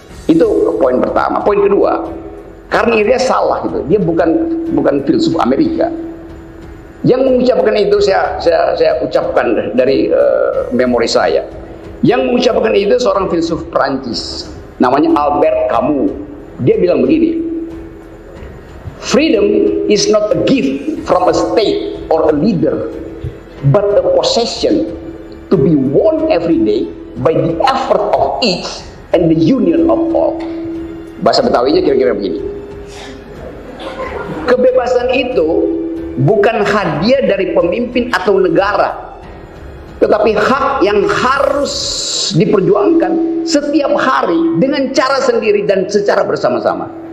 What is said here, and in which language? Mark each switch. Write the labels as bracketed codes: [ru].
[id] Itu poin pertama. Poin kedua, Carnegie salah gitu. Dia bukan filsuf Amerika. Yang mengucapkan itu saya ucapkan dari memori saya. Yang mengucapkan itu seorang filsuf Prancis namanya Albert Camus. Dia bilang begini. [en] Freedom is not a gift from a state or a leader, but a possession to be won every day by the effort of each and the union of all. [id] Bahasa Betawinya kira-kira begini. Kebebasan itu bukan hadiah dari pemimpin atau negara, tetapi hak yang harus diperjuangkan setiap hari dengan cara sendiri dan secara bersama-sama.